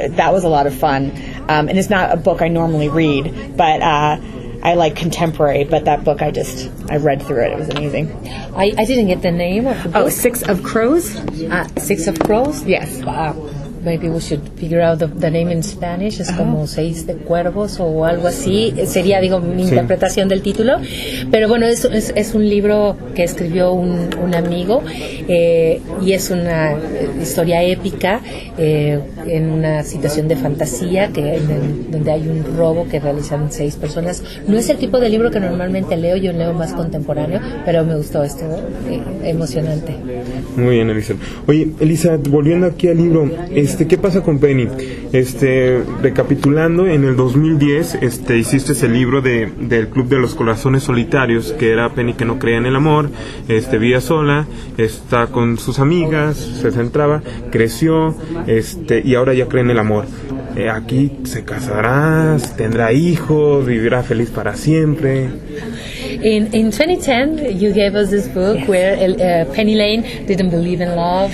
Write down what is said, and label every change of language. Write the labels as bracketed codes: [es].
[en] That was a lot of fun, and it's not a book I normally read, but I like contemporary, but that book I read through it. It was amazing. I didn't get the name of the book. Oh, Six of Crows? Six of Crows? Yes. Maybe we should figure out the name in Spanish. [es] Es como Seis de Cuervos o algo así. Sería, digo, mi interpretación del título. Pero bueno, es un libro que escribió un amigo, y es una historia épica en una situación de fantasía donde hay un robo que realizan seis personas. No es el tipo de libro que normalmente leo. Yo leo más contemporáneo, pero me gustó esto. Emocionante. Muy bien, Elisa. Oye, Elisa, volviendo aquí al libro... ¿qué pasa con Penny? Recapitulando, en el 2010 hiciste ese libro del Club de los Corazones Solitarios, que era Penny que no creía en el amor, vivía sola, está con sus amigas, se centraba, creció, y ahora ya cree en el amor. Aquí se casará, tendrá hijos, vivirá feliz para siempre. [en] In 2010, you gave us this book where Penny Lane didn't believe in love.